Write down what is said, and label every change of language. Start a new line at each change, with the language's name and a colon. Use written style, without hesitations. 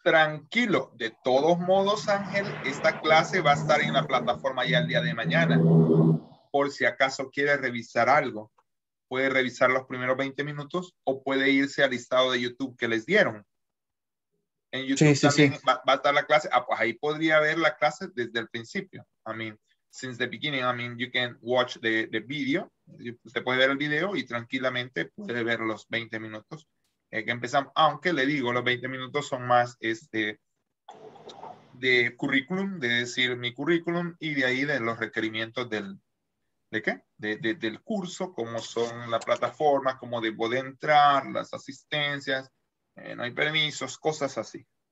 Spanish: Tranquilo, de todos modos, Ángel, esta clase va a estar en la plataforma ya el día de mañana. Por si acaso quiere revisar algo, puede revisar los primeros 20 minutos o puede irse al listado de YouTube que les dieron. En YouTube sí, también sí, sí. Va a estar la clase. Ah, pues ahí podría ver la clase desde el principio.
English: I mean, since the beginning, I mean, you can watch the video.
Spanish: Usted puede ver el video y tranquilamente puede ver los 20 minutos que empezamos. Aunque le digo, los 20 minutos son más de currículum, de decir mi currículum y de ahí de los requerimientos del... ¿De qué? Del curso, cómo son la plataforma, cómo debo de entrar, las asistencias, no hay permisos, cosas así.